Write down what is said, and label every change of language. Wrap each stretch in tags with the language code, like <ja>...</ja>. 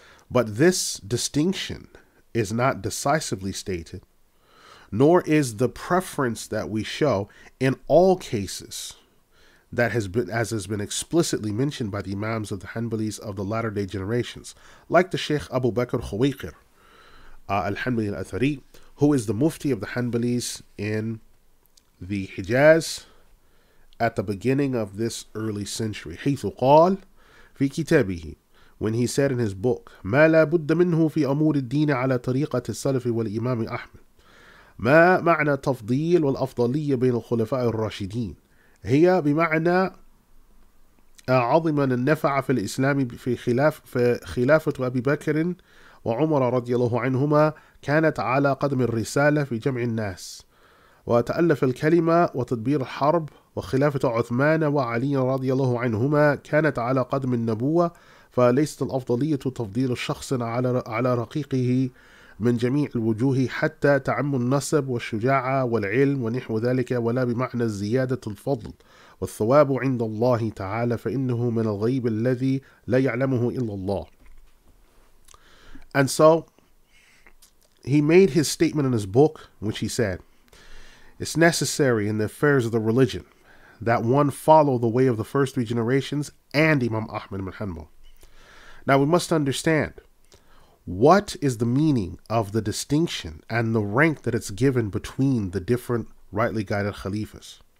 <en>But this distinction is not decisively stated, nor is the preference that we show in all cases that has been, as has been explicitly mentioned by the Imams of the Hanbalis of the latter day generations, like the Sheikh Abu Bakr Khawiqir Al-Hanbali Al-Athari, who is the Mufti of the Hanbalis in the Hijaz at the beginning of this early century.</en> <ar>حيث قال في كتابه,</ar> <en>when he said in his book,</en> <ar>ما لا بد منه في أمور الدين على طريقة السلف والإمام أحمد. ما معنى تفضيل والأفضلية بين الخلفاء الراشدين؟ هي بمعنى عظما النفع في الإسلام في خلافة أبي بكر وعمر رضي الله عنهما كانت على قدم الرسالة في جمع الناس وتألف الكلمة وتدبير الحرب وخلافة عثمان وعلي رضي الله عنهما كانت على قدم النبوة فليست الأفضلية تفضيل الشخص على رقيقه من جميع الوجوه حتى تعم النسب والشجاعة والعلم ونحو ذلك ولا بمعنى زيادة الفضل والثواب عند الله تعالى فإنه من الغيب الذي لا يعلمه إلا الله.</ar> <en>And so he made his statement in his book, which he said, it's necessary in the affairs of the religion that one follow the way of the first three generations and Imam Ahmad ibn Hanbal. Now we must understand, what is the meaning of the distinction and the rank that it's given between the different rightly guided khalifas?</en>